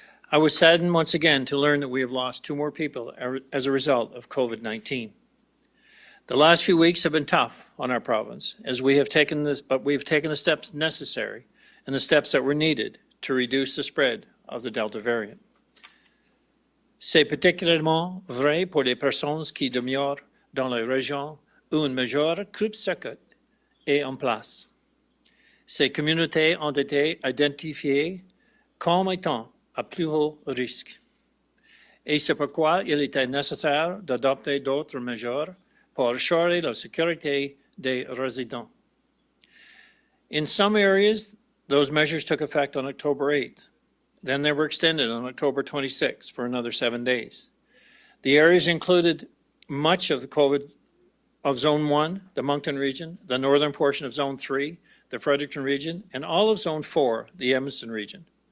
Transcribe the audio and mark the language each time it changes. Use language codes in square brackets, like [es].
[en] I was saddened once again to learn that we have lost two more people as a result of COVID-19. The last few weeks have been tough on our province, as we have taken this, but we have taken the steps necessary and the steps that were needed to reduce the spread of the Delta variant. [fr] C'est particulièrement vrai pour les personnes qui demeurent dans la région où une majeure coupe-circuit est en place. Ces communautés ont été identifiées comme étant à plus haut risque. Et c'est pourquoi il était nécessaire d'adopter d'autres mesures pour assurer la sécurité des résidents. [en] In some areas, those measures took effect on October 8th. Then they were extended on October 26th for another 7 days. The areas included much of the COVID of Zone 1, the Moncton region, the northern portion of Zone 3, the Fredericton region, and all of Zone 4, the Edmundston region.